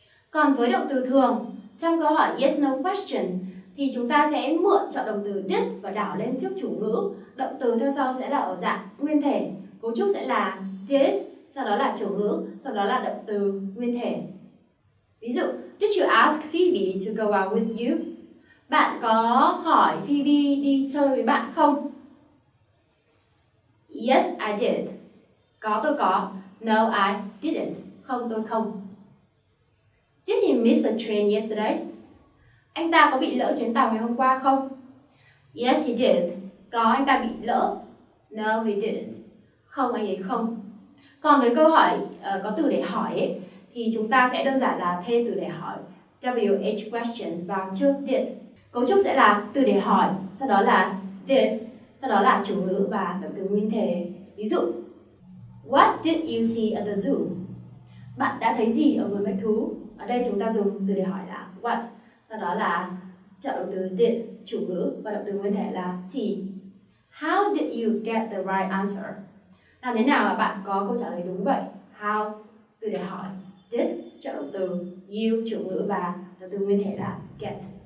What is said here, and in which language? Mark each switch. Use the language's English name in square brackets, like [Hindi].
[Vietnamese] Còn với động từ thường, trong câu hỏi yes no question thì chúng ta sẽ mượn chọn động từ did và đảo lên trước chủ ngữ. Động từ theo sau sẽ là ở dạng nguyên thể, cấu trúc sẽ là did, sau đó là chủ ngữ, sau đó là động từ nguyên thể. Ví dụ: [English] did you ask Phoebe to go out with you? [Vietnamese] Bạn có hỏi Phoebe đi chơi với bạn không? [English] Yes, I did. [Vietnamese] Có, tôi có. [English] No, I didn't. [Vietnamese] Không, tôi không. [English] Did he miss the train yesterday? [Vietnamese] Anh ta có bị lỡ chuyến tàu ngày hôm qua không? [English] Yes, he did. [Vietnamese] Có, anh ta bị lỡ. [English] No, he didn't. [Vietnamese] Không, anh ấy không. Còn với câu hỏi có từ để hỏi ấy, thì chúng ta sẽ đơn giản là thêm từ để hỏi WH question vào trước did. Cấu trúc sẽ là từ để hỏi, sau đó là did, sau đó là chủ ngữ và động từ nguyên thể. Ví dụ: [English] what did you see at the zoo? [Vietnamese] Bạn đã thấy gì ở vườn bách thú? Ở đây chúng ta dùng từ để hỏi là what, sau đó là chọn động từ did, chủ ngữ, và động từ nguyên thể là see. [English] How did you get the right answer? [Vietnamese] Làm thế nào mà bạn có câu trả lời đúng vậy? How, từ để hỏi, did, chọn động từ, you, chủ ngữ, và động từ nguyên thể là get.